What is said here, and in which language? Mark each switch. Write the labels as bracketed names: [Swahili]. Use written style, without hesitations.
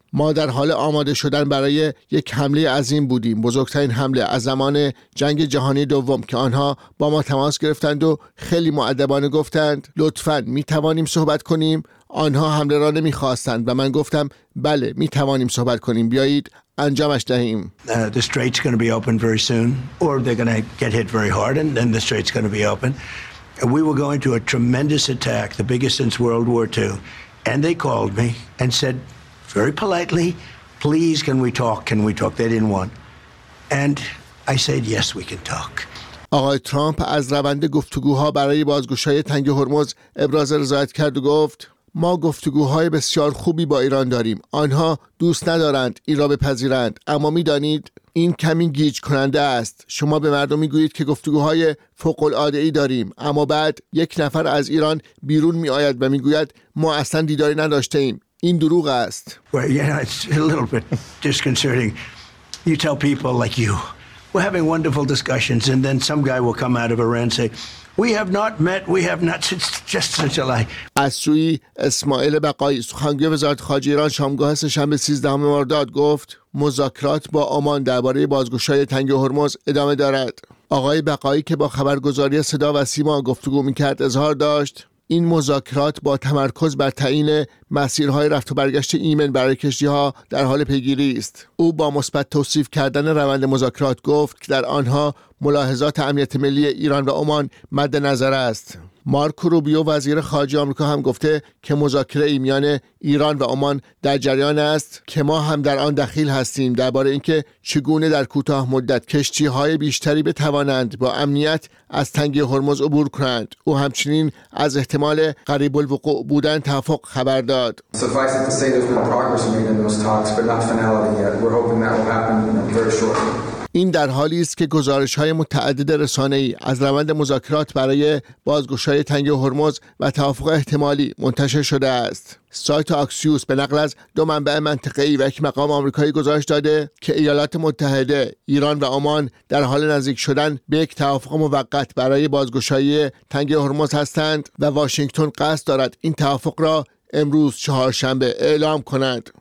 [Persian] ما در حال آماده شدن برای یک حمله عظیم بودیم، بزرگترین حمله از زمان جنگ جهانی دوم، که آنها با ما تماس گرفتند و خیلی مؤدبانه گفتند لطفاً می توانیم صحبت کنیم. آنها حمله را نمی خواستند و من گفتم بله می توانیم صحبت کنیم، بیایید انجامش دهیم. [English] The straits going to be open very soon or they're going to get hit very hard and then the straits going to be open. We were going to a tremendous attack, the biggest since World War II, and they called me and said very politely, please can we talk, can we talk, they didn't want. And I said yes we can talk. [Persian] آقای ترامپ از روند گفتگوها برای بازگشایی تنگ هرمز ابراز رضایت کرد و گفت ما گفتگوهای بسیار خوبی با ایران داریم. آنها دوست ندارند این را بپذیرند، اما میدانید این کمی گیج کننده است. شما به مردم میگویید که گفتگوهای فوق العاده ای داریم، اما بعد یک نفر از ایران بیرون میآید و میگوید ما اصلا دیداری نداشته ایم. این دروغ است. [English] Well, you know, it's a little bit disconcerting. You tell people like you, we're having wonderful discussions, and then some guy will come out of Iran and say, we have not met, we have not, it's just such a lie. [Persian] از سوی اسماعیل بقایی، سخنگوی وزارت خارجه ایران، شامگاه سه‌شنبه 13 مرداد گفت مذاکرات با عمان درباره بازگشایی تنگه هرمز ادامه دارد. آقای بقایی که با خبرگزاری صدا و سیما گفتگو می‌کرد، اظهار داشت این مذاکرات با تمرکز بر تعیین مسیرهای رفت و برگشت ایمن برای کشتی‌ها در حال پیگیری است. او با مثبت توصیف کردن روند مذاکرات گفت که در آنها ملاحظات امنیت ملی ایران و عمان مد نظر است. مارکو روبیو وزیر خارجه آمریکا هم گفته که مذاکره میان ایران و عمان در جریان است که ما هم در آن دخیل هستیم، درباره اینکه چگونه در کوتاه مدت کشتی‌های بیشتری بتوانند با امنیت از تنگه هرمز عبور کنند. او همچنین از احتمال قریب الوقوع بودن توافق خبر داد. [English] Suffice it to say there's been progress made in those talks, but not finality yet. We're hoping that will happen very shortly. [Persian] این در حالی است که گزارش‌های متعدد رسانه‌ای از روند مذاکرات برای بازگشایی تنگه هرمز و توافق احتمالی منتشر شده است. سایت آکسیوس به نقل از دو منبع منطقه‌ای و یک مقام آمریکایی گزارش داده که ایالات متحده، ایران و عمان در حال نزدیک شدن به یک توافق موقت برای بازگشایی تنگه هرمز هستند و واشنگتن قصد دارد این توافق را امروز چهارشنبه اعلام کند.